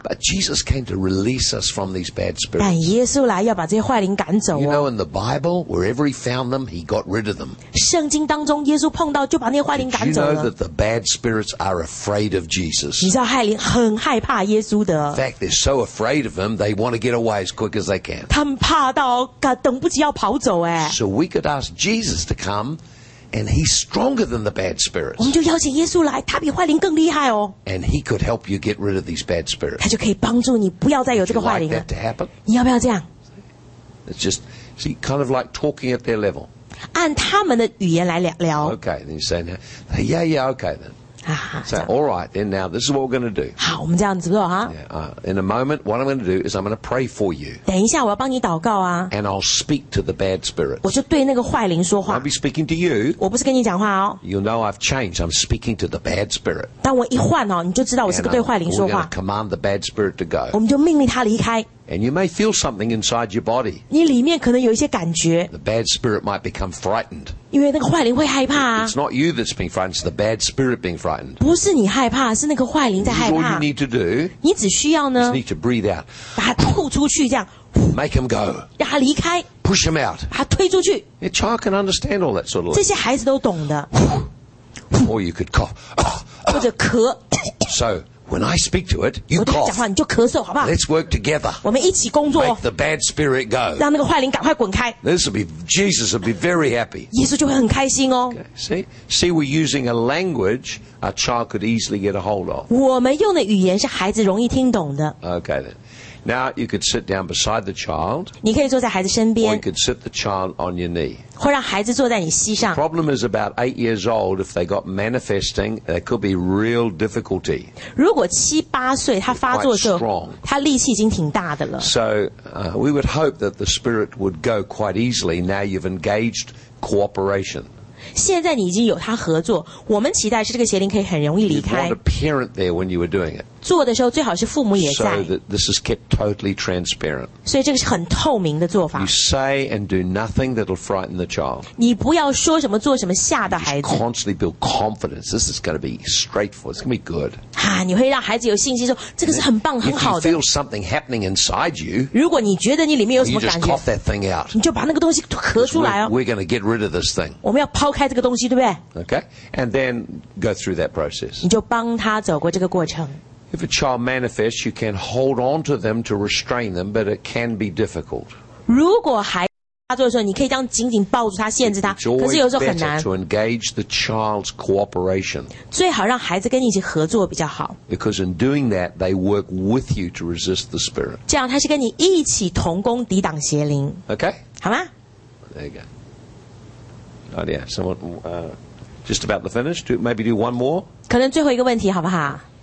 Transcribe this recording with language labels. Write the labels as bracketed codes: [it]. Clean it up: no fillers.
[en] But Jesus came to release us from these bad spirits. [zh] 但耶稣来要把这些坏灵赶走。 [en] You know, in the Bible, wherever he found them, he got rid of them. [zh] 圣经当中，耶稣碰到就把那些坏灵赶走了。 [en] You know that the bad spirits are afraid of Jesus. [zh] 你知道坏灵很害怕耶稣的。 [en] In fact, they're so afraid of him, they want to get away as quick as they can. [zh] 他们怕到。等不及要跑走哎 [en] So we could ask Jesus to come And he's stronger than the bad spirits [zh] 我们就邀请耶稣来他比坏灵更厉害哦 [en] And he could help you get rid of these bad spirits [zh] 他就可以帮助你不要再有这个坏灵了 [en] Would you like that to happen? [zh] 你要不要这样 [en] It's just See kind of like talking at their level [zh] 按他们的语言来聊 [en] Okay then you say now, Yeah yeah okay then So, all right, then now this is what we're going to do. [zh] 好，我们这样子做哈。 [en] In a moment, what I'm going to do is I'm going to pray for you. [zh] 等一下，我要帮你祷告啊。 [en] And I'll speak to the bad spirits. [zh] 我就对那个坏灵说话。 [en] I'll be speaking to you. [zh] 我不是跟你讲话哦。 [en] You know I've changed. I'm speaking to the bad spirit. [zh] 当我一换哦，你就知道我是个对坏灵说话。 [en] We're going to command the bad spirit to go. [zh] 我们就命令他离开。 [en] And you may feel something inside your body. [zh] 你里面可能有一些感觉。 [en] The bad spirit might become frightened. [zh] 因为那个坏灵会害怕。 [en] It's not you that's being frightened, it's the bad spirit being frightened. [zh] 不是你害怕，是那个坏灵在害怕。 [en] This is all you need to do. [zh] 你只需要呢。 [en] You need to breathe out. [zh] 把它吐出去，这样。 [en] Make him go. [zh] 让他离开。 [en] Push him out. [zh] 把他推出去。 [en] A child can understand all that sort of thing. [zh] 这些孩子都懂的。 [en] Or you could cough. [zh] 或者咳。 [en] So. When I speak to it, you cough. [zh] 我跟他讲话，你就咳嗽，好不好 [en] ？Let's work together. [zh] 我们一起工作。 [en] Make the bad spirit go. [zh] 让那个坏灵赶快滚开。 [en] This will be Jesus will be very happy. [zh] 耶稣就会很开心哦。 [en] Okay, see, we're using a language a child could easily get a hold of. [zh] 我们用的语言是孩子容易听懂的。 [en] Okay then. Now you could sit down beside the child. [zh] 你可以坐在孩子身边。 [en] Or you could sit the child on your knee. [zh] 或让孩子坐在你膝上。 [en] The problem is about 8 years old, if they got manifesting, there could be real difficulty. [zh] 如果七八岁他发作的时候，他力气已经挺大的了。 [en] So, we would hope that the spirit would go quite easily now you've engaged cooperation. [zh] 现在你已经有他合作，我们期待是这个邪灵可以很容易离开。 [en] You want a parent there when you were doing it. [zh] 做的时候最好是父母也在。 [en] So that this is kept totally transparent. [zh] 所以这个是很透明的做法。 [en] You say and do nothing that'll frighten the child. [zh] 你不要说什么做什么吓到孩子。 [en] Constantly build confidence. This is going to be straightforward. It's going to be good. [zh] 啊，你会让孩子有信心说这个是很棒很好的。 [en] If you feel something happening inside you, [zh] 如果你觉得你里面有什么感觉， [en] you just cough that thing out. [zh] 你就把那个东西咳出来哦。 [en] We're going to get rid of this thing. [zh] 我们要抛开这个东西，对不对？ [en] Okay, and then go through that process. [zh] 你就帮他走过这个过程。 [en] If a child manifests, you can hold on to them to restrain them, but it can be difficult. [zh] 如果孩子发作的时候，你可以这样紧紧抱住他，限制他，可是有时候很难。 [en] To engage the child's cooperation. [zh] 最好让孩子跟你一起合作比较好。 [en] Because in doing that, they work with you to resist the spirit. [zh] 这样他是跟你一起同工抵挡邪灵。 [en] Okay, [zh] 好吗？ [en] There you go. Oh yeah, someone, just about to finish. Do, maybe do one more. [zh] 可能最后一个问题，好不好？